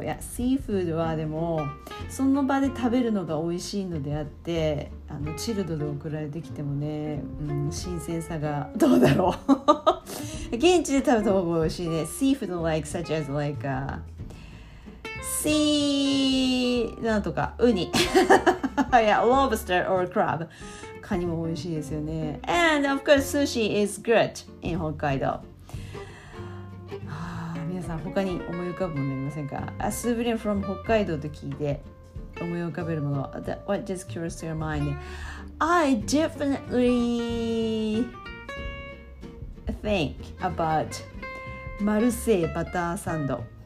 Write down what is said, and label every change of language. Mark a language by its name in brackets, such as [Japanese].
[Japanese] Yeah, seafood はでもその場で食べるのが美味しいのであって、あのチルドで送られてきてもね、新鮮さがどうだろう。現地で食べた方が美味しいね。 [English] Seafood like such as like sea [Japanese] なんとかウニ。 [English] yeah, lobster or crab. [Japanese] カニも美味しいですよね。 [English] And of course, sushi is good in Hokkaido. [Japanese] はあ、皆さん他に思い浮かぶものありませんか? [English] A souvenir from Hokkaido [Japanese] と聞いて思い浮かべるもの。 [English] What just curious to your mind? I definitely think about マルセイバターサンド。